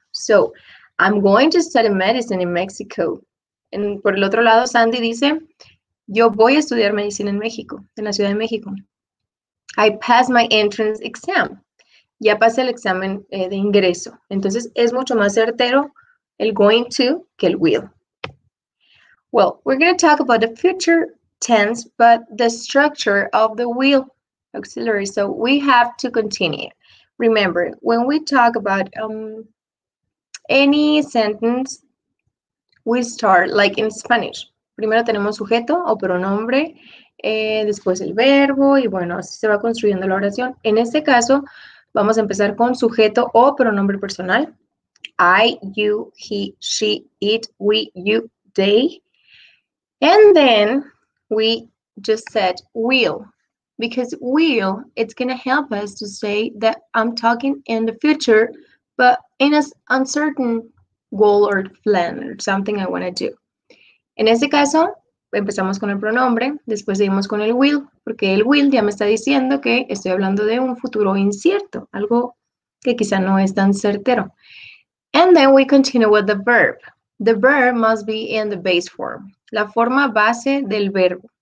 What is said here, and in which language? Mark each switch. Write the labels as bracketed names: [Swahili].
[English] So, I'm going to study medicine in Mexico. [Spanish] Por el otro lado, Sandy dice, yo voy a estudiar medicina en México, en la Ciudad de México. [English] I passed my entrance exam. [Spanish] Ya pasé el examen de ingreso. Entonces es mucho más certero el going to que el will. [English] Well, we're going to talk about the future tense, but the structure of the will auxiliary. So we have to continue. Remember, when we talk about any sentence, we start like in Spanish. [Spanish] Primero tenemos sujeto o pronombre. Después el verbo y bueno, así se va construyendo la oración. En este caso, vamos a empezar con sujeto o pronombre personal. [English] I, you, he, she, it, we, you, they. And then we just said will. Because will, it's going to help us to say that I'm talking in the future, but in an uncertain goal or plan or something I want to do. [Spanish] En este caso, empezamos con el pronombre, después seguimos con el will, porque el will ya me está diciendo que estoy hablando de un futuro incierto, algo que quizá no es tan certero. [English] And then we continue with the verb. The verb must be in the base form, [Spanish] la forma base del verbo.